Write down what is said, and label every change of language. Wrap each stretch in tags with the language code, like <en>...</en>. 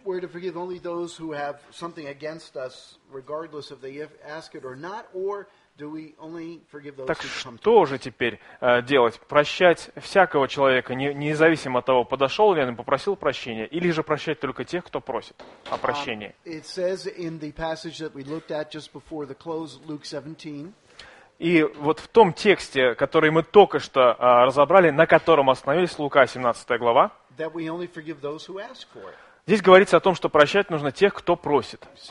<ru>Так что же теперь делать? Прощать всякого человека, независимо от того, подошел ли он и попросил прощения, или же прощать только тех, кто просит о прощении.</ru> <en>It says in the passage that we looked at just before the close, Luke 17.</en> <ru>И вот в том тексте, который мы только что разобрали, на котором остановились, Лука 17 глава,</ru> <en>that we only forgive those who ask for it.</en> <ru>Здесь говорится о том, что прощать нужно тех, кто просит.</ru>